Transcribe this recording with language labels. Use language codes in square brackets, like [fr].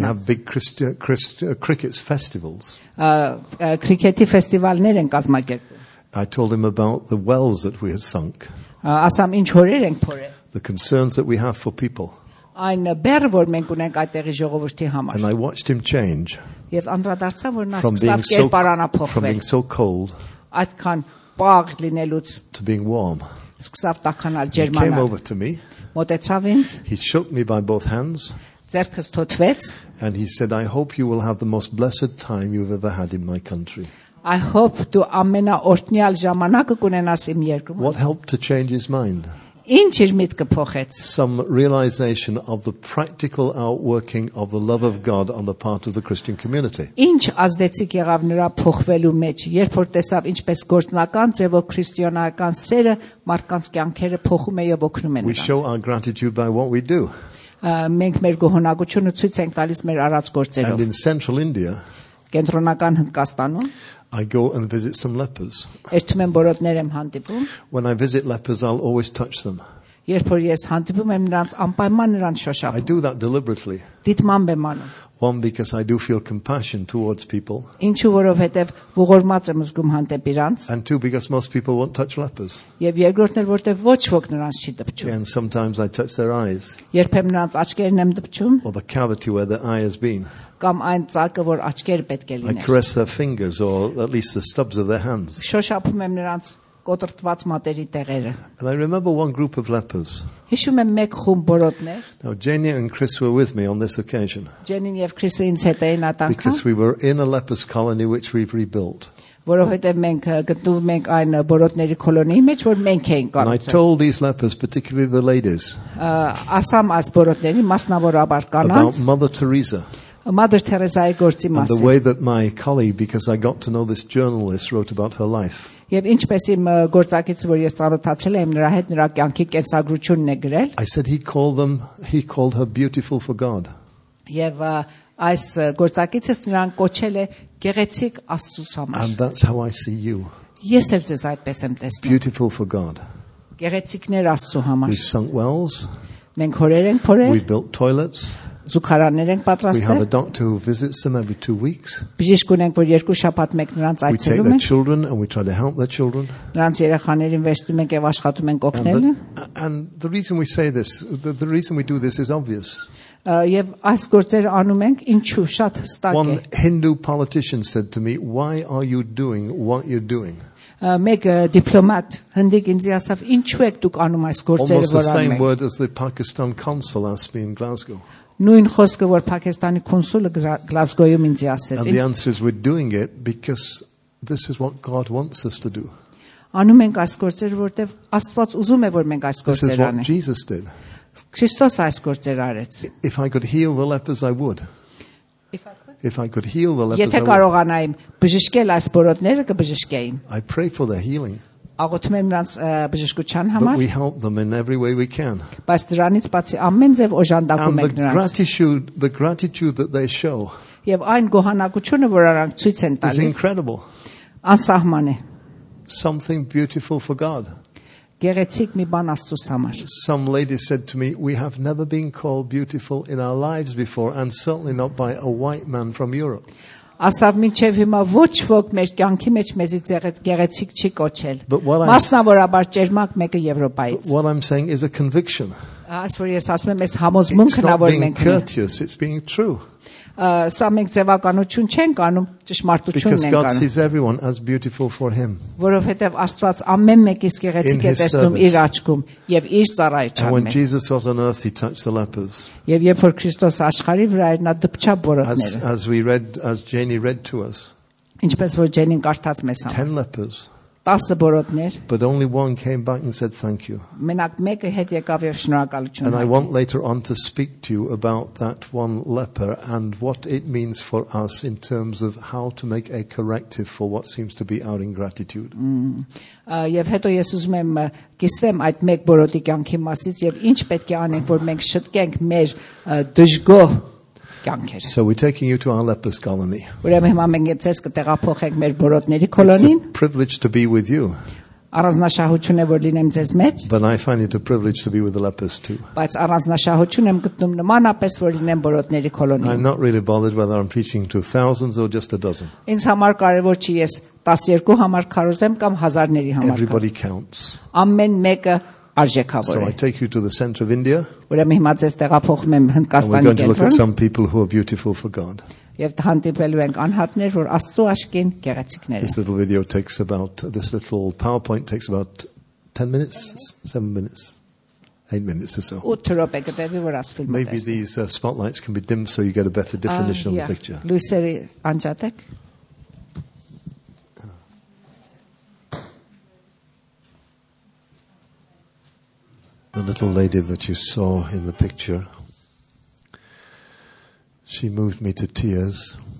[en] We have big cricket festivals։ [hy] Քրիքեթի ֆեստիվալներ են կազմակերպում։ [en] I told him about the wells that we had sunk։ [hy] Ասամ ինչ հորեր ենք փորել։ [en] The concerns that we have for people։ [hy] Այն բերը որ մենք ունենք այդտեղի ժողովրդի համար։ [en] And I watched him change։ [hy] Եվ անդրադարձա որ նա սկսավ կերպարանափոխվել։ [en] From being so cold։ [hy] Այդքան պաղ լինելուց [en] to being warm [hy] սկսավ տականալ ջերմանալ [en] He came over to me [hy] մոտեցավ ինձ [en] He shook me by both hands [hy] ձեռքս թոթվեց [en] and he said I hope you will have the most blessed time you've ever had in my country I hope to [hy] ամենաօրտնյալ ժամանակը կունենաս իմ երկրում [en] What helped to change his mind [hy] Ինչ իր միտքը փոխեց [en] Some realization of the practical outworking of the love of God on the part of the Christian community [hy] Ինչ ազդեցիկ եղավ նրա փոխվելու մեջ երբ որ տեսավ ինչպես գործնական ձևով քրիստոնեական սերը մարդկանց կյանքերը փոխում է եւ օգնում է նրանց [en] We show our gratitude by what we do [hy] Մենք մեր գոհունակությունը ցույց ենք տալիս մեր արած գործերով [en] And in central India [hy] Կենտրոնական Հնդկաստանում [en] I go and visit some lepers. [hy] Երթում եմ բորոդներ եմ հանդիպում. [en] When I visit lepers I'll always touch them. [hy] Երբ որ ես հանդիպում եմ նրանց անպայման նրանց շոշափում. [en] I do that deliberately. [hy] Դիտմամբ եմ անում. [en] One because I do feel compassion towards people. [hy] Ինչու որովհետև ողորմած եմ զգում հանդեպ իրանց. [en] And two because most people won't touch lepers. [hy] Եվ երկրորդն էլ որտեղ ոչ ոք նրանց չի դպչում. [en] And sometimes I touch their eyes. [hy] Երբեմն նրանց աչքերն եմ դպչում. [en] Or the cavity where their eye has been. [hy] Կամ այն ցակը, որ աչքերը պետք է լիներ։ [en] I caress their fingers or at least the stubs of their hands. [hy] Շոշափում եմ նրանց կոտրտված մատերի տեղերը։ [en] And I remember one group of lepers. [hy] Հիշում եմ մեկ խումբ բորոդներ։ [en] Now Jenny and Chris were with me on this occasion. [hy] Jenny-ն եւ Chris-ը ինձ հետ էին ատանկա։ [en] Because we were in a leper's colony which we've rebuilt. [hy] Որովհետեւ մենք գտնվում ենք այն բորոդների կոլոնիայի մեջ, որ մենք էինք կառուցել։ [en] And I told these lepers, particularly the ladies. [hy] Ասամ այս բորոդների մասնավորաբար կանանց։ [en] About Mother Teresa. Mother Teresa's work. And the way that my colleague, because I got to know this journalist, wrote about her life. [hy] Եվ ինչպես իմ գործակիցը, որ ես ծանոթացել եմ նրա հետ, նրա կյանքի կենսագրությունն է գրել։ [en] I said he called her beautiful for God. [hy] Եվ այս գործակիցս նրան կոչել է գեղեցիկ Աստծուս համար։ [en] And that's how I see you. [hy] Ես էլ ձեզ այդպես եմ տեսնում։ [en] Beautiful for God. [hy] Գեղեցիկներ Աստծու համար։ [en] We've sunk wells. [hy] Մենք հորեր ենք փորել։ [en] We've built toilets. [hy] Զուգարաններ ենք պատրաստել։ [en] We have a doctor who visits them every 2 weeks. [hy] Բժիշկ ունենք, որ երկու շաբաթ մեկ նրանց այցելում են։ [en] We take their children and we try to help their children. [hy] Նրանց երեխաներին վերցնում ենք եւ աշխատում ենք օգնել։ [en] And the reason we say this, the reason we do this is obvious. [hy] Եվ այս գործերը անում ենք ինչու՞, շատ հստակ է։ [en] One Hindu politician said to me, "Why are you doing what you're doing?" [hy] Մեկ դիպլոմատ հնդիկ ինձ ասավ, "Ինչու եք դուք անում այս գործերը, որ անում եք?" [en] Almost the same word as the Pakistan consul asked me in Glasgow. [hy] Նույն խոսքը, որ Փակիստանի կոնսուլը Գլազգոյում ինձ ասեց։ [en] And the answer is we're doing it because this is what God wants us to do. [hy] Անում ենք այս գործերը, որտեղ Աստված ուզում է, որ մենք այս գործերը անենք։ [en] This is what Jesus did. [hy] Քրիստոս այս գործերը արեց։ [en] If I could heal the lepers, I would. If I could heal the lepers. [hy] Եթե կարողանայիմ բժշկել այս բոլորները, կբժշկեի։ [en] I pray for their healing. [hy] Աղոթում եմ նրանց բժշկության համար։ [en] But we help them in every way we can. [hy] Բայց դրանից բացի ամեն ձև օժանդակում ենք նրանց։ [en] And the gratitude that they show. [hy] Եվ այն գոհանակությունը, որ արանք ցույց են տալիս։ [en] It's incredible. [hy] Անսահման է։ [en] Something beautiful for God. [hy] Գեղեցիկ մի բան Աստծուս համար։ [en] Some lady said to me, "We have never been called beautiful in our lives before and certainly not by a white man from Europe." [hy] Ասավ մինչև հիմա ոչ ոք մեր կյանքի մեջ մեզի գեղեցիկ չի կոչել։ Մասնավորաբար ճերմակ մեկը Եվրոպայից։ [en] What I'm saying is a conviction. As for yes, [hy] ասում եմ, ես համոզմունքն ավոր մենք։ [en] It's not being courteous, it's being true. [hy] Սա մենք ձևականություն չենք անում, ճշմարտություն ենք անում։ [en] Because God sees everyone as beautiful for him. [hy] Որովհետև Աստված ամեն մեկիս գեղեցիկ է տեսնում իր աչքում եւ իր ծառայության մեջ։ [en] When Jesus was on earth, he touched the lepers. [hy] Եվ երբ որ Քրիստոս աշխարհի վրա էր, նա դպչապ բորոքները։ [en] As Janie read to us. [hy] Ինչպես որ Ջենին կարդաց մեզ համար։ [en] 10 lepers. [hy] 10 բորոքներ։ [en] But only one came back and said thank you. [hy] Մենակ մեկը հետ եկավ եւ շնորհակալություն արեց։ [en] And I want later on to speak to you about that one leper and what it means for us in terms of how to make a corrective for what seems to be our ingratitude. [hy] Եվ հետո ես ուզում եմ կիսվեմ այդ մեկ բորոդի կյանքի մասից եւ ինչ պետք է անենք, որ մենք շտկենք մեր դժգոհ կյանքերը։ [en] So we're taking you to our lepers colony. [hy] Ուրեմն հիմա մենք ցեզ կտեղափոխենք մեր բորոդների կոլոնին։ [en] It's a privilege to be with you. [hy] Առանձնահատկություն է, որ լինեմ ձեզ մեջ։ [en] But I find it a privilege to be with the lepers too. [hy] Բայց առանձնահատկություն եմ գտնում նմանապես, որ լինեմ բորոդների կոլոնիում։ [en] I'm not really bothered whether I'm preaching to thousands or just a dozen. [hy] Ինձ համար կարևոր չի, ես 12 համար քարոզեմ կամ հազարների համար։ [en] Everybody counts. [hy] Ամեն մեկը արժեքավոր է։ [en] So I take you to the center of India. [hy] Ուրեմն հիմա ձեզ տեղափոխում եմ Հնդկաստանի կենտրոն։ [en] And we're going to look at some people who are beautiful for God. [hy] Եվ հանդիպելու ենք անհատներ, որ Աստծո աչքին գեղեցիկներ են։ [en] This little video takes about, this little PowerPoint takes about 10 minutes, 7 minutes, 8 minutes or so. [hy] Ուտրոպե կտեվի որ աս ֆիլմը։ [en] Maybe these spotlights can be dimmed so you get a better definition of the picture. [hy] Լույսերը անջատեք։ [en] The little lady that you saw in the picture, she moved me to tears.